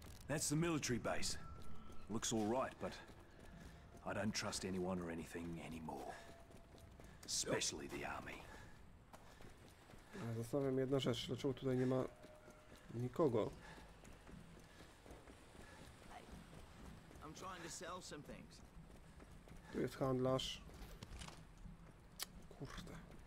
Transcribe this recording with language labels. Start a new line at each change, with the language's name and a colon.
English: That's the military base. Looks all right, but I don't trust anyone or anything anymore. Especially the army.
Polish: Zastanawiam jedną rzecz. Dlaczego tutaj nie ma nikogo?
English: I'm trying to sell some things.
Polish: Tu jest handlarz. Kurde.